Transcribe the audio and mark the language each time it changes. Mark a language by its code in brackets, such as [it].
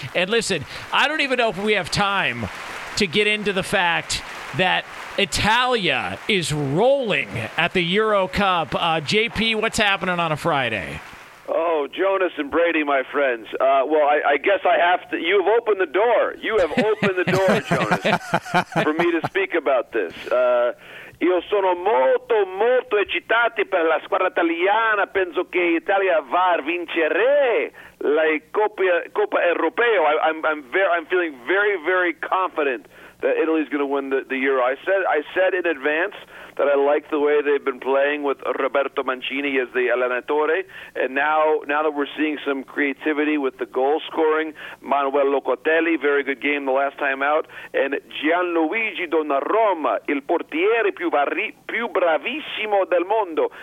[en] And listen, I don't even know if we have time to get into the fact that Italia is rolling at the Euro Cup. JP, what's happening on a Friday? Oh, Jonas and Brady, my friends. Well, I guess I have to. You have opened the door. You have opened the door, Jonas, for me to speak about this. [it] Io sono molto, molto eccitato per la squadra italiana. Penso che Italia va a vincere la Coppa Europea. [en] I'm feeling very, very confident that Italy is going to win the Euro. I said in advance that I like the way they've been playing with Roberto Mancini as the allenatore, and now that we're seeing some creativity with the goal scoring, Manuel Locatelli, very good game the last time out, and Gianluigi Donnarumma, [it] il portiere più bravissimo del mondo.